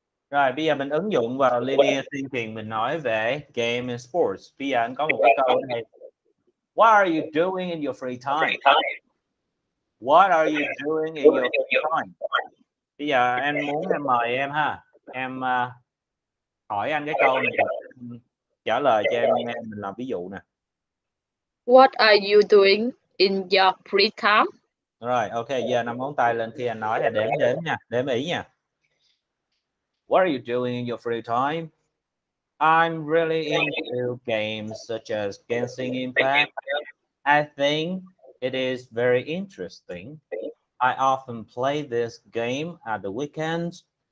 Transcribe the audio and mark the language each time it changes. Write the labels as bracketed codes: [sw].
[vi] Rồi, bây giờ mình ứng dụng vào linear thinking. Mình nói về game and sports. Bây giờ anh có một cái câu này. [en] What are you doing in your free time? What are you doing in your free time? [vi] Bây giờ em muốn em mời em ha. Em hỏi anh cái câu này. Trả lời cho em nghe. Mình làm ví dụ nè. [en] What are you doing in your free time? [vi] Rồi, ok. Giờ nắm ngón tay lên khi anh nói là đếm đếm nha. Đếm ý nha. [en] What are you doing in your free time? I'm really into games such as Genshin Impact. I think it is very interesting. I often play this game at the weekends.